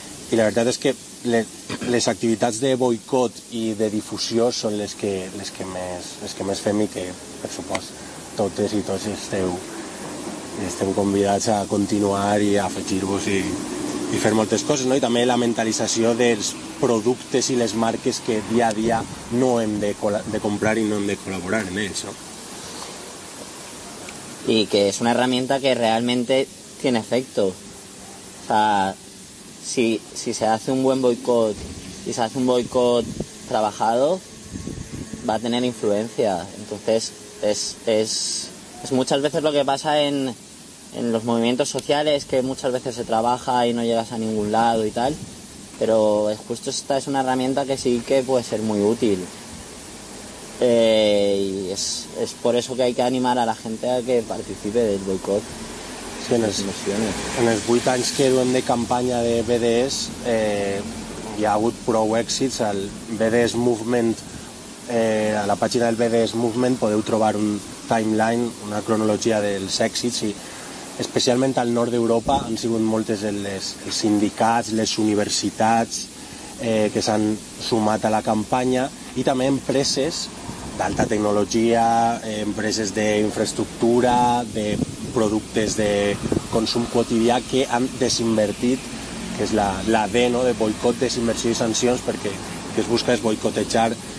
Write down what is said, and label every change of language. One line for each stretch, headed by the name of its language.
Catalan: I la veritat és que les activitats de boicot i de difusió són les que més fem i que, per supost, totes i tots estem convidats a continuar i a afegir-vos i fer moltes coses, no? I també la mentalització dels productes i les marques que dia a dia no hem de comprar i no hem de col·laborar en ells, no?
Spanish: y que es una herramienta que realmente tiene efecto. O sea, si se hace un buen boicot y se hace un boicot trabajado, va a tener influencia. Entonces, es muchas veces lo que pasa en los movimientos sociales, que muchas veces se trabaja y no llegas a ningún lado y tal, pero justo esta es una herramienta que sí que puede ser muy útil. Y es por eso que hay que animar a la gente a que participe del boicot.
Catalan: Sí, en els 8 anys que duem de campanya de BDS, hi ha hagut prou èxits. Al BDS Movement, a la pàgina del BDS Movement podeu trobar un timeline, una cronologia dels èxits, i especialment al nord d'Europa han sigut moltes els sindicats, les universitats, que s'han sumat a la campanya, i també empreses d'alta tecnologia, empreses d'infraestructura, de productes de consum quotidià, que han desinvertit, que és la D, no?, de boicot, desinversió i sancions, perquè el que es busca és boicotejar